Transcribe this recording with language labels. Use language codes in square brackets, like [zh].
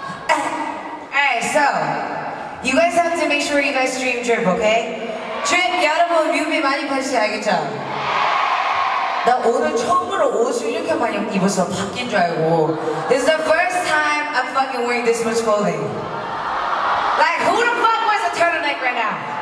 [en] All right, so you guys have to make sure you guys stream Drip, okay? [ko] Drip, 여러분, 뮤비 많이 봐주세요, 알겠죠? 나 오늘 처음으로 옷을 이렇게 많이 입어서 바뀐 줄 알고. [en] This is the first time I'm fucking wearing this much clothing. Like, who the fuck wears a turtleneck right now?